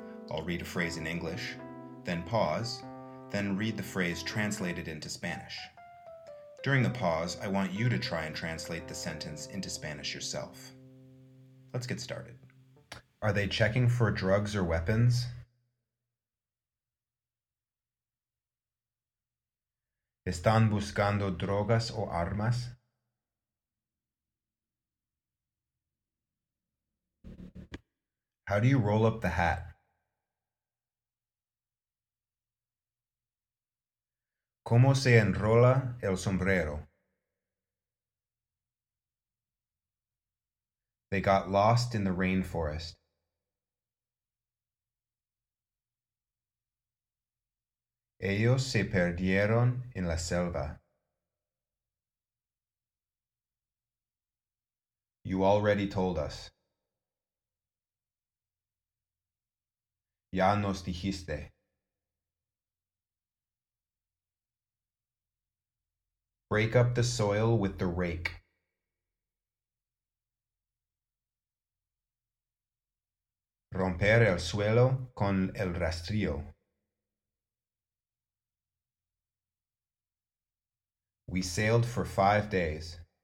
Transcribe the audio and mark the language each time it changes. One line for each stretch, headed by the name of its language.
English: I'll read a phrase in English, then pause, then read the phrase translated into Spanish. During the pause, I want you to try and translate the sentence into Spanish yourself. Let's get started. Are they checking for drugs or weapons?
Spanish: ¿Están buscando drogas o armas?
English: How do you roll up the hat?
Spanish: ¿Cómo se enrola el sombrero?
English: They got lost in the rainforest.
Spanish: Ellos se perdieron en la selva.
English: You already told us.
Spanish: Ya nos dijiste.
English: Break up the soil with the rake.
Spanish: Romper el suelo con el rastrillo.
English: We sailed for 5 days.